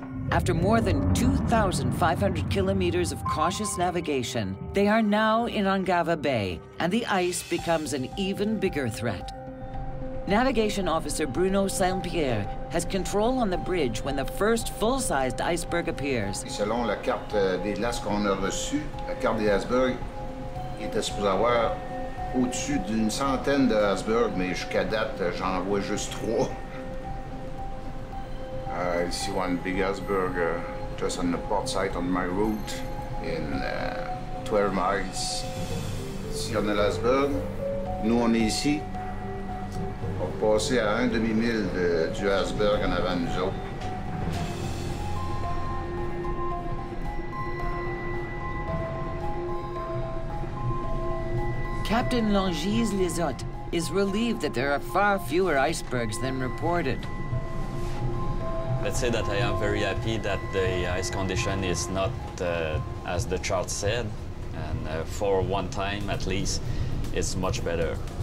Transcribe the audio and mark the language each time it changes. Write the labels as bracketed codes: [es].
[en] After more than 2,500 kilometers of cautious navigation, they are now in Ungava Bay, and the ice becomes an even bigger threat. Navigation officer Bruno Saint-Pierre has control on the bridge when the first full-sized iceberg appears. [fr] Selon la carte des glaces qu'on a reçue, la carte des icebergs était supposée avoir au-dessus d'une centaine de icebergs, mais jusqu'à date, j'en vois juste trois. [en] I see one big iceberg just on the port side on my route in 12 miles. [fr] Si on a l'iceberg, nous on est ici. On va passer à un demi-mille du iceberg en avant nous autres. [en] Captain Longise Lizotte is relieved that there are far fewer icebergs than reported. Let's say that I am very happy that the ice condition is not as the chart said, and for one time at least, it's much better.